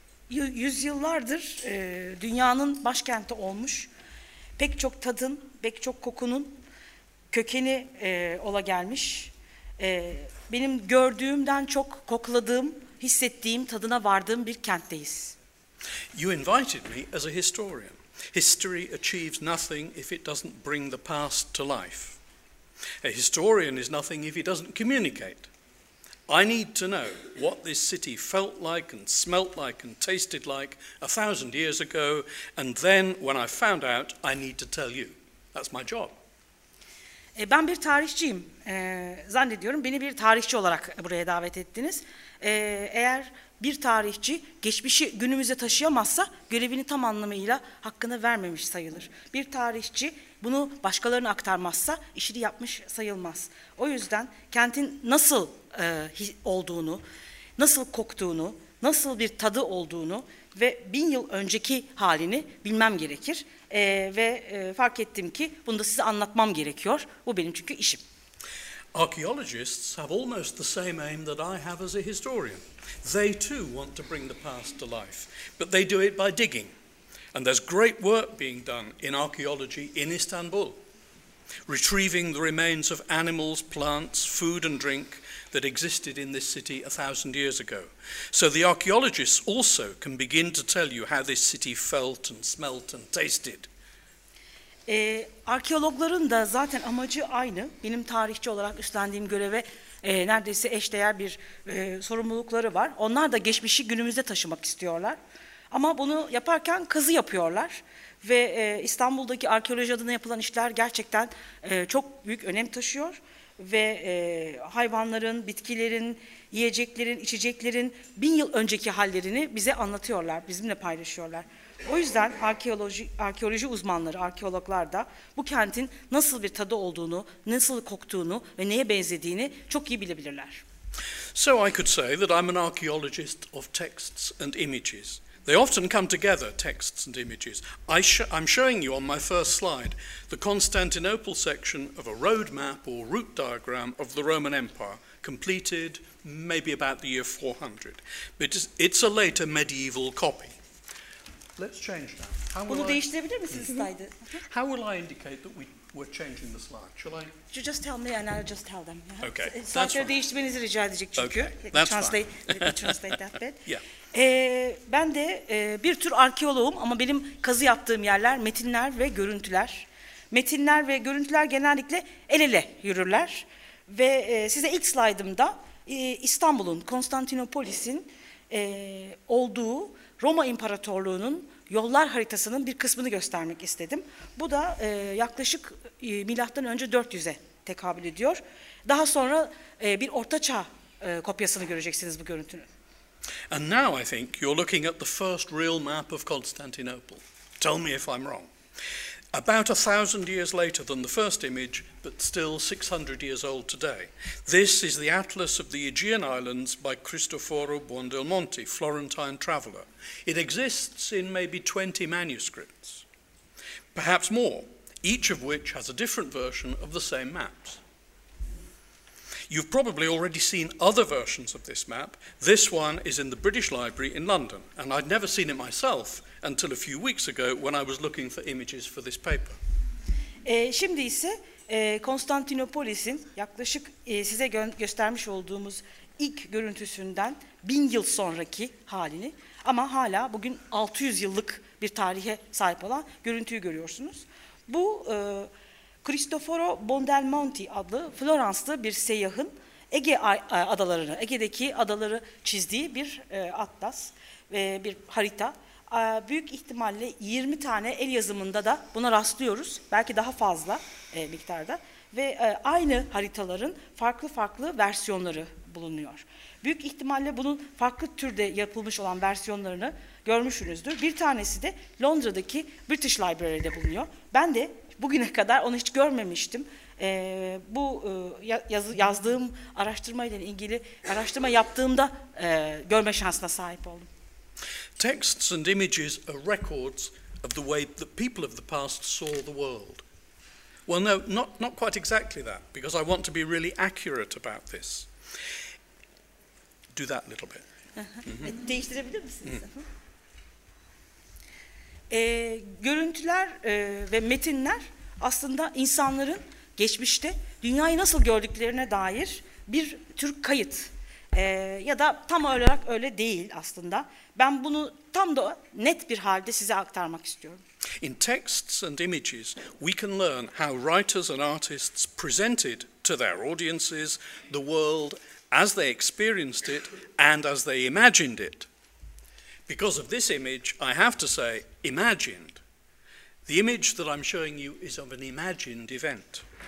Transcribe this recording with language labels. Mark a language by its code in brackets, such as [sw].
[tr] Yüzyıllardır dünyanın başkenti olmuş. Pek çok tadın, pek çok kokunun kökeni ola gelmiş. Benim gördüğümden çok kokladığım, hissettiğim, tadına vardığım bir kentteyiz. [en] You invited me as a historian. History achieves nothing if it doesn't bring the past to life. A historian is nothing if he doesn't communicate. I need to know what this city felt like and smelt like and tasted like 1,000 years ago, and then when I found out, I need to tell you. That's my job. [tr] Ben bir tarihçiyim. Zannediyorum beni bir tarihçi olarak buraya davet ettiniz. Eğer bir tarihçi geçmişi günümüze taşıyamazsa görevini tam anlamıyla hakkını vermemiş sayılır. Bir tarihçi bunu başkalarına aktarmazsa işini yapmış sayılmaz. O yüzden kentin nasıl olduğunu, nasıl koktuğunu, nasıl bir tadı olduğunu ve 1000 yıl önceki halini bilmem gerekir. Fark ettim ki bunu da size anlatmam gerekiyor. Bu benim çünkü işim. [en] Archaeologists have almost the same aim that I have as a historian. They too want to bring the past to life, but they do it by digging. And there's great work being done in archaeology in Istanbul, retrieving the remains of animals, plants, food and drink that existed in this city 1,000 years ago. So the archaeologists also can begin to tell you how this city felt and smelt and tasted. [tr] Arkeologların da zaten amacı aynı. Benim tarihçi olarak üstlendiğim göreve neredeyse eşdeğer bir sorumlulukları var. Onlar da geçmişi günümüze taşımak istiyorlar. Ama bunu yaparken kazı yapıyorlar. Ve İstanbul'daki arkeoloji adına yapılan işler gerçekten çok büyük önem taşıyor. Ve hayvanların, bitkilerin, yiyeceklerin, içeceklerin 1000 yıl önceki hallerini bize anlatıyorlar, bizimle paylaşıyorlar. O yüzden arkeoloji uzmanları, arkeologlar da bu kentin nasıl bir tadı olduğunu, nasıl koktuğunu ve neye benzediğini çok iyi bilebilirler. [en] So I could say that I'm an archaeologist of texts and images. They often come together, texts and images. I'm showing you on my first slide the Constantinople section of a road map or route diagram of the Roman Empire, completed maybe about the year 400. It's a later medieval copy. Let's change now. [tr] Bunu değiştirebilir misiniz slide'ı? [en] How will I indicate that we're changing the slide? Shall I? You just tell me and I'll just tell them. Yeah? Okay, [tr] slide'ı değiştirmenizi rica edecek çünkü. [en] Okay, that's translate, fine. Translate that bit. Yeah. [tr] Ben de bir tür arkeologum ama benim kazı yaptığım yerler metinler ve görüntüler. Metinler ve görüntüler genellikle el ele yürürler. Ve size ilk slide'ımda İstanbul'un, Konstantinopolis'in olduğu Roma İmparatorluğu'nun yollar haritasının bir kısmını göstermek istedim. Bu da yaklaşık milattan önce 400'e tekabül ediyor. Daha sonra bir ortaçağ kopyasını göreceksiniz bu görüntünün. [en] And now I think you're looking at the first real map of Constantinople. Tell me if I'm wrong. About 1,000 years later than the first image, but still 600 years old today. This is the Atlas of the Aegean Islands by Cristoforo Buondelmonti, Florentine traveller. It exists in maybe 20 manuscripts, perhaps more, each of which has a different version of the same maps. You've probably already seen other versions of this map. This one is in the British Library in London, and I'd never seen it myself until a few weeks ago when I was looking for images for this paper. [tr] Şimdi ise Konstantinopolis'in yaklaşık size göstermiş olduğumuz ilk görüntüsünden 1000 yıl sonraki halini ama hala bugün 600 yıllık bir tarihe sahip olan görüntüyü görüyorsunuz. Bu Cristoforo Buondelmonti adlı Floranslı bir seyyahın Ege adalarını, Ege'deki adaları çizdiği bir atlas ve bir harita. Büyük ihtimalle 20 tane el yazımında da buna rastlıyoruz. Belki daha fazla miktarda. Ve aynı haritaların farklı farklı versiyonları bulunuyor. Büyük ihtimalle bunun farklı türde yapılmış olan versiyonlarını görmüşsünüzdür. Bir tanesi de Londra'daki British Library'de bulunuyor. Ben de bugüne kadar onu hiç görmemiştim. Bu yazdığım araştırmayla ilgili araştırma yaptığımda görme şansına sahip oldum. [en] Texts and images are records of the way the people of the past saw the world. Well, no, not quite exactly that, because I want to be really accurate about this. Do that little bit. [tr] Değiştirebilir misiniz? Görüntüler ve metinler aslında insanların geçmişte dünyayı nasıl gördüklerine dair bir tür kayıt. Ya da tam olarak öyle değil aslında. Ben bunu tam da net bir halde size aktarmak istiyorum. [en] In texts and images, we can learn how writers and artists presented to their audiences the world as they experienced it and as they imagined it. Because of this image, I have to say, imagined. The image that I'm showing you is of an imagined event.